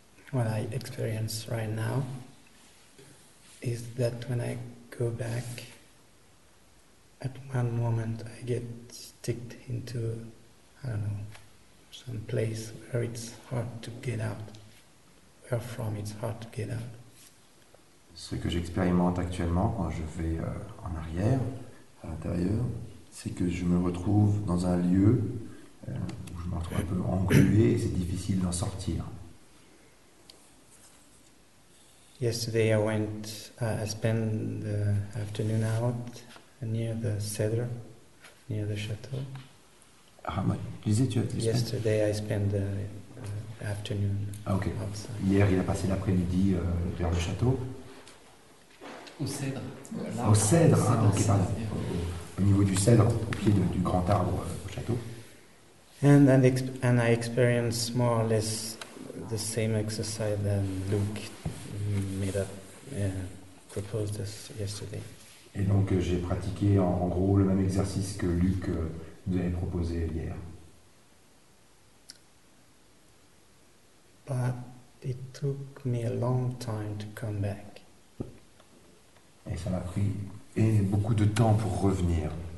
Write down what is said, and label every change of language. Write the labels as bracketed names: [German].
[English] What I experience right now is that when I go back, at one moment I get sticked into, I don't know, some place where it's hard to get out, where from it's hard to get out. [French] Ce que j'expérimente actuellement quand je vais en arrière, à l'intérieur, c'est que je me retrouve dans un lieu où je me retrouve un peu englué et c'est difficile d'en sortir. [English] Yesterday I went. I spent the afternoon out near the cedar, near the chateau. Yesterday I spent the afternoon. Okay. Outside. [French] Hier il a passé l'après-midi vers le château. Au cèdre. Au niveau du cèdre, au pied du grand arbre au château. [English] And I experienced more or less the same exercise than Luke. Proposed this yesterday. [French] Et donc j'ai pratiqué en gros le même exercice que Luc nous avait proposé hier. [English] But it took me a long time to come back. [French] Et ça m'a pris beaucoup de temps pour revenir.